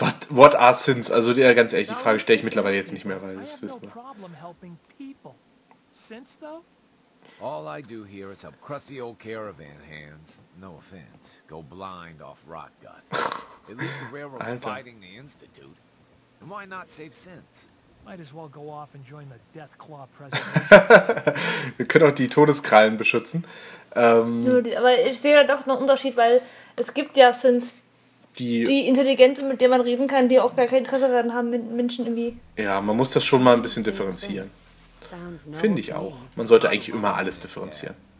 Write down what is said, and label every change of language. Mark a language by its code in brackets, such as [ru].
[en] What are sins? [de] Also ja, ganz ehrlich, die Frage stelle ich mittlerweile jetzt nicht mehr, weil es ist [en] no problem helping people. Sins, though? All I do here is help crusty old caravan hands, no offense, go blind off rot gut. At least the railroad's fighting the Institute. And why not save sins? Might as well go off and join the Death Claw president. [de] Wir können auch die Todeskrallen beschützen. Aber ich sehe da doch einen Unterschied, weil es gibt ja Sins, die intelligent sind, mit denen man reden kann, die auch gar kein Interesse daran haben, mit Menschen irgendwie. Ja, man muss das schon mal ein bisschen differenzieren. Finde ich auch. Man sollte eigentlich immer alles differenzieren.